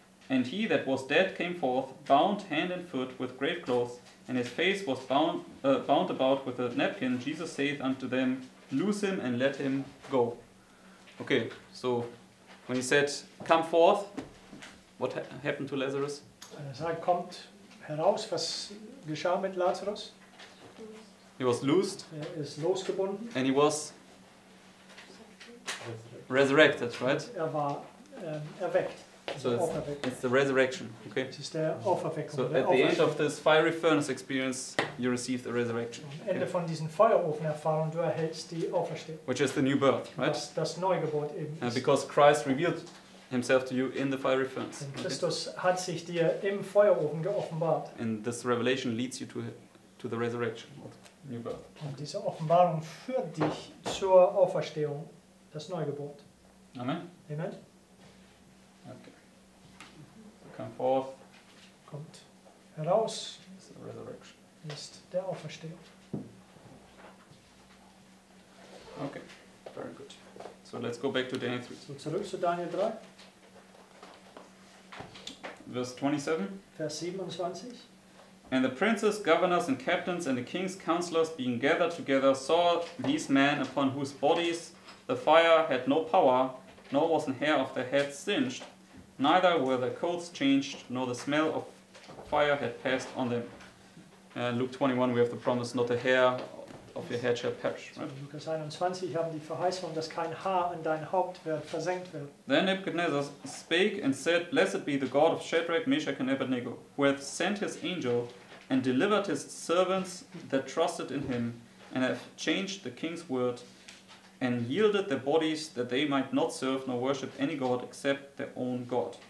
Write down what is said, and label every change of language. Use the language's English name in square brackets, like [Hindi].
[English] And he that was dead came forth, bound hand and foot with grave clothes, and his face was bound about with a napkin. Jesus saith unto them, Loose him and let him go. Okay, so when he said, come forth, what happened to Lazarus? [German] Er sagt, kommt heraus, was geschah mit Lazarus? [English] He was loosed. [German] Er ist losgebunden. [English] And he was resurrected, right? [German] Er war erweckt. [English] So it's the resurrection, okay? [German] Es ist der Auferweckung. [English] So at the end of this fiery furnace experience, you receive the resurrection. [German] Am Ende von diesen Feuerofenerfahrung, du erhältst die Auferstehung. [English] Which is the new birth, right? [German] Das Neugeburt eben. [English] Because Christ revealed himself to you in the fiery furnace. [German] Und Christus hat sich dir im Feuerofen geoffenbart. [English] And this revelation leads you to the resurrection, new birth. [German] Und diese Offenbarung führt dich zur Auferstehung, das Neugeburt. [English] Amen. Amen. Come forth. [German] Kommt heraus. [English] It's the resurrection. [German] Ist der Auferstehung. [English] Okay, very good. So let's go back to Daniel 3. [German] So zurück zu Daniel 3. [English] Verse 27. [German] Vers 27. [English] And the princes, governors, and captains, and the king's counselors, being gathered together, saw these men upon whose bodies the fire had no power, nor was an hair of their head singed. Neither were their coats changed, nor the smell of fire had passed on them. And Luke 21, we have the promise, not a hair of your head shall perish. [German] Luke 21, haben die Verheißung, dass kein Haar an dein Haupt wird versenkt wird. [English] Then Nebuchadnezzar spake and said, Blessed be the God of Shadrach, Meshach, and Abednego, who hath sent his angel and delivered his servants that trusted in him, and hath changed the king's word, and yielded their bodies that they might not serve nor worship any god except their own god.